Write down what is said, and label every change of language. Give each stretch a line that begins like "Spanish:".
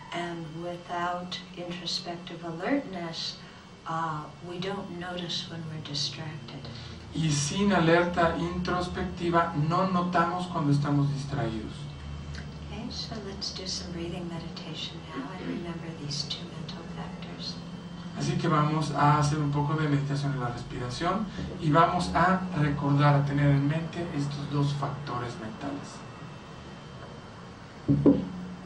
English: And without introspective alertness, we don't notice when we're distracted.
Spanish: Y sin alerta introspectiva, no notamos cuando estamos distraídos.
English: Okay, so let's do some breathing meditation now and remember these two mental factors.
Spanish: Así que vamos a hacer un poco de meditación en la respiración y vamos a recordar, a tener en mente estos dos factores mentales.